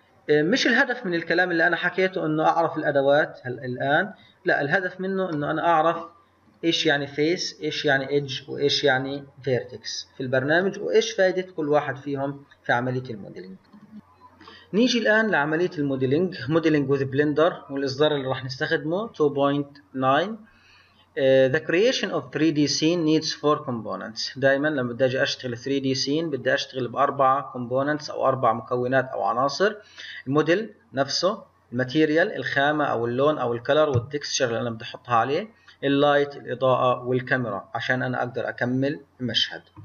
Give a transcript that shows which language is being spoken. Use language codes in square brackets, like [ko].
[ar] مش الهدف من الكلام اللي انا حكيته انه اعرف الادوات الان، لا، الهدف منه انه انا اعرف ايش يعني فيس، ايش يعني ايدج، وايش يعني فيرتكس في البرنامج، وايش فائده كل واحد فيهم في عمليه الموديلنج. نيجي الان لعمليه الموديلنج، موديلنج وذ بلندر، والاصدار اللي راح نستخدمه 2.9. [en] The creation of 3D scene needs 4 components. [ar] دائما لما بدي اجي اشتغل 3D scene بدي اشتغل باربع components او اربع مكونات او عناصر. الموديل نفسه، الماتيريال، الخامه او اللون او الكلر والتكستشر اللي انا بدي احطها عليه، اللايت، الاضاءه، والكاميرا عشان انا اقدر اكمل المشهد.